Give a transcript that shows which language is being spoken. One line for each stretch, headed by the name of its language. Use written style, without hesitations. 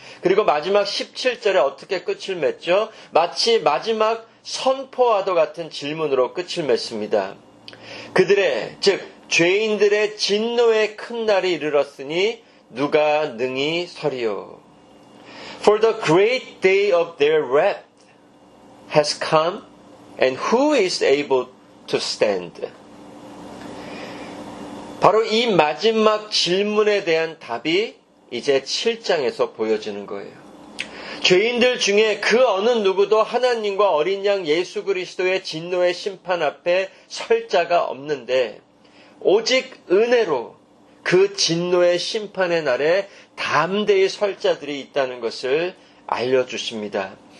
Korean: 그리고 마지막 17절에 어떻게 끝을 맺죠? 마치 마지막 선포와도 같은 질문으로 끝을 맺습니다. 그들의, 즉 죄인들의 진노의 큰 날이 이르렀으니 누가 능히 서리요?
English: For the great day of their wrath has come, and who is able to stand?
Korean: 바로 이 마지막 질문에 대한 답이 이제 7장에서 보여지는 거예요. 죄인들 중에 그 어느 누구도 하나님과 어린 양 예수 그리스도의 진노의 심판 앞에 설 자가 없는데 오직 은혜로 그 진노의 심판의 날에 담대히 설 자들이 있다는 것을 알려주십니다.